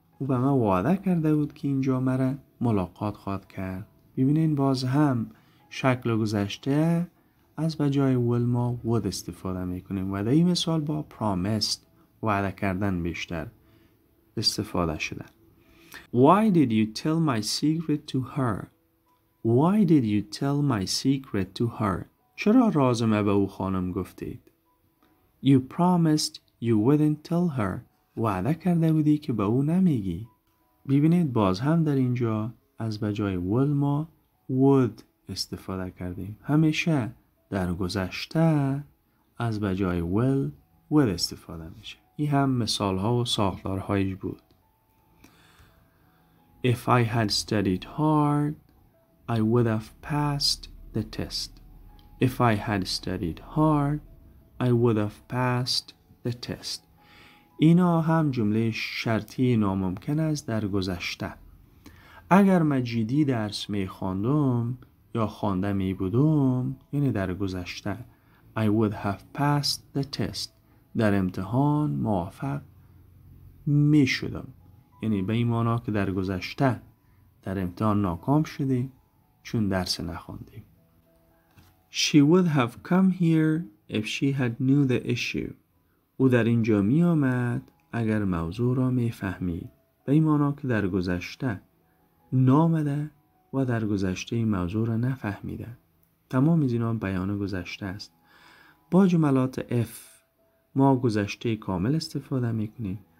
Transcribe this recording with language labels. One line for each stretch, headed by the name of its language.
Persian: او به من وعده کرده بود که اینجا مرا ملاقات خواهد کرد. ببینین باز هم شکل گذشته از بجای will ما would استفاده میکنیم و در این مثال با promised وعده کردن بیشتر استفاده شده.
English: Why did you tell my secret to her? Why did you tell my secret to her?
Persian: چرا راز ما به او خانم گفتید؟
English: You promised you wouldn't tell her.
Persian: وعده کرده بودی که به او نمیگی. ببینید باز هم در اینجا از بجای will ما would استفاده کردیم. همیشه در گذشته از بجای will استفاده میشه. این هم مثال ها و ساختار هایش بود.
English: If I had studied hard, I would have passed the test. If I had studied hard, I would have passed the test.
Persian: اینا هم جمله شرطی ناممکن است در گذشته. اگر من جدی درس می خواندم یا خوانده می بودم، یعنی در گذشته،
English: I would have passed the test.
Persian: در امتحان موفق می شدم. یعنی به این معنا که در گذشته در امتحان ناکام شدیم چون درس نخوندیم.
English: She would have come here if she had knew the issue.
Persian: او در اینجا می آمد اگر موضوع را می فهمید. به این معنا که در گذشته نامده و در گذشته این موضوع را نفهمیده. تمام از اینا بیان گذشته است. با جملات if ما گذشته کامل استفاده می کنیم.